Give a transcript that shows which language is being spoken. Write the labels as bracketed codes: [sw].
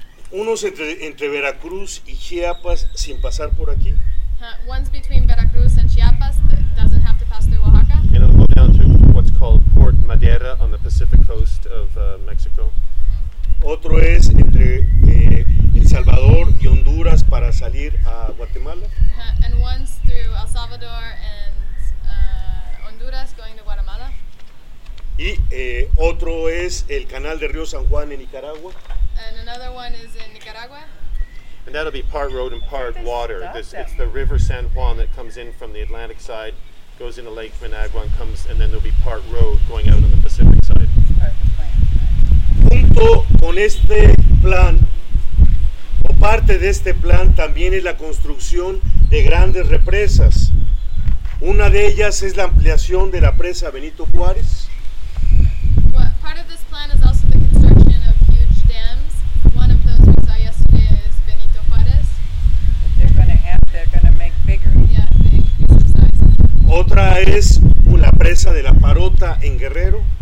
[es] Unos entre Veracruz y Chiapas sin pasar por aquí. [en] One's between Veracruz and Chiapas that doesn't have to pass through Oaxaca. And it'll go down to what's called Port Madera on the Pacific coast of Mexico. [es] Otro es entre El Salvador y Honduras para salir a Guatemala. [en] And one's through El Salvador and Honduras going to Guatemala. [es] Y otro es el canal de Río San Juan en Nicaragua. [en] And another one is in Nicaragua. And that'll be part road and part water. It's the River San Juan that comes in from the Atlantic side, goes into Lake Managua and comes, and then there'll be part road going out on the Pacific side. [es] Junto con este plan, o parte de este plan, también es la construcción de grandes represas. Una de ellas es la ampliación de la presa Benito Juárez. [en] Part of this plan is also the construction of huge dams. One of those we saw yesterday is Benito Juárez. They're going to make bigger. Yeah, they increase the size. [es] Otra es la presa de La Parota en Guerrero.